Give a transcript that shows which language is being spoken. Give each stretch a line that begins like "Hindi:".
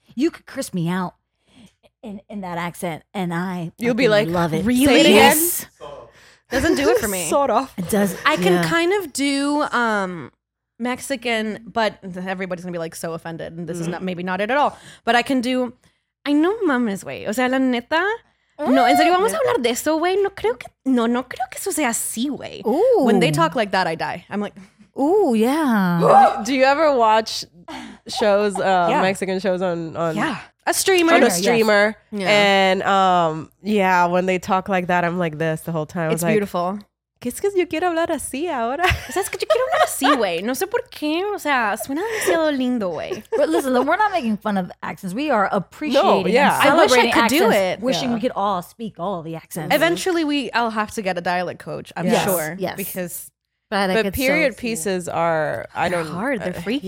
English: You could Chris me out in that accent. And you'll be like, love it. Really? Say it again. Yes. Doesn't do it for me. Sort of. It does. I can kind of do Mexican, but everybody's going to be like so offended. And this is not, maybe not it at all. But I can do, I know
Spanish: mames, güey. O sea, la neta. No, en serio, vamos a hablar de eso, güey. No creo que eso sea así, güey.
English: When they talk like that, I die. I'm like, ooh, yeah. Do you ever watch shows, Mexican shows on a streamer? On a streamer. Yes. Yeah. And when they talk like that, I'm like this the whole time. It's like, beautiful.
Spanish: ¿Qué es que yo quiero hablar así ahora? Es que yo quiero hablar así, güey. No sé por qué. O sea, suena demasiado lindo, güey.
English: But listen, we're not making fun of accents. We are appreciating and celebrating. I wish I could accents, do it. Wishing we could all speak all the accents. Eventually, I'll have to get a dialect coach, I'm sure. Yes. Because but period pieces are, they're hard. They're freaky.